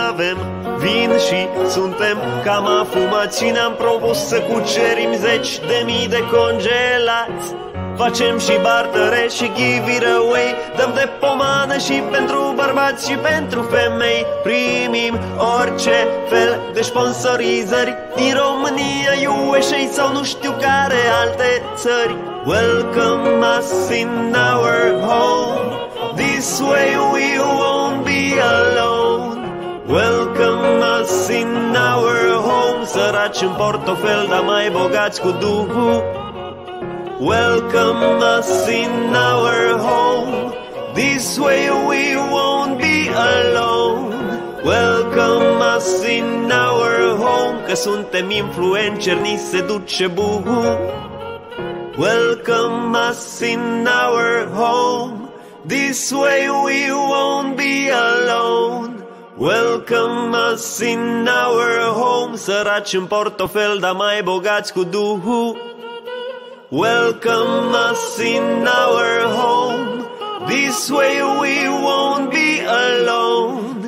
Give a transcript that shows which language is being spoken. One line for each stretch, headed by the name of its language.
Romanian: Avem vin și suntem cam afumați și ne-am propus să cucerim 10.000 de congelați. Facem și bartere și
English: give it away.
Romanian: Dăm de pomană și pentru bărbați și pentru femei. Primim orice fel de sponsorizări din România, USA sau nu știu care alte țări.
English: Welcome us in our home, this way we won't be alone. Welcome us in our home,
Romanian: săraci în portofel, dar mai bogați cu duhul.
English: Welcome us in our home, this way we won't be alone. Welcome us in our home,
Romanian: că suntem influencer, ni se duce buhu.
English: Welcome us in our home, this way we won't be alone. Welcome us in our home,
Romanian: săraci în portofel, dar mai bogați cu duhu.
English: Welcome us in our home, this way we won't be alone.